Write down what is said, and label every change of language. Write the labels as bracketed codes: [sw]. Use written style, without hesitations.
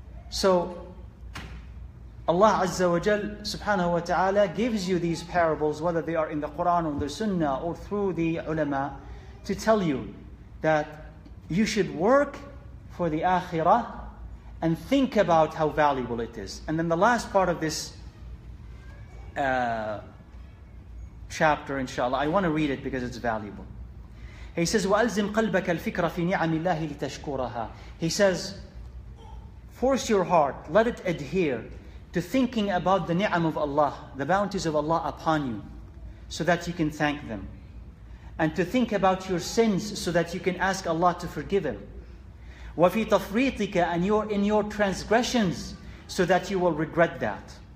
[en] So Allah Azza wa Jal subhanahu wa ta'ala gives you these parables, whether they are in the Quran or the Sunnah or through the ulama, to tell you that you should work for the akhirah and think about how valuable it is. And then the last part of this chapter, inshallah, I want to read it because it's valuable. He says, [ar] وَأَلْزِمْ قَلْبَكَ الْفِكْرَ فِي نِعَمِ اللَّهِ لِتَشْكُرَهَا. [en] He says, force your heart, let it adhere to thinking about the ni'am of Allah, the bounties of Allah upon you, so that you can thank them. And to think about your sins so that you can ask Allah to forgive him. [ar] وَفِي تَفْرِيطِكَ [en] and you're in your transgressions so that you will regret that.